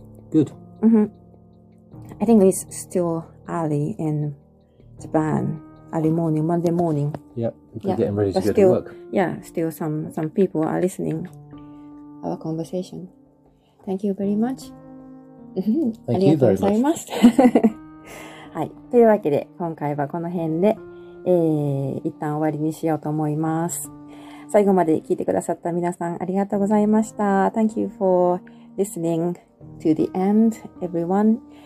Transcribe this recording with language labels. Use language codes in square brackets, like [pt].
[en] Good. I think it's still early in Japan. Early morning, Monday morning. Yep, getting ready to go to work. Yeah, still some people are listening our conversation. Thank you very much. Thank you very much. [ja] はい、というわけで今回はこの辺で、一旦終わりにしようと思います。最後まで聞いてくださった皆さんありがとうございました。 [en] Thank you for listening to the end, everyone.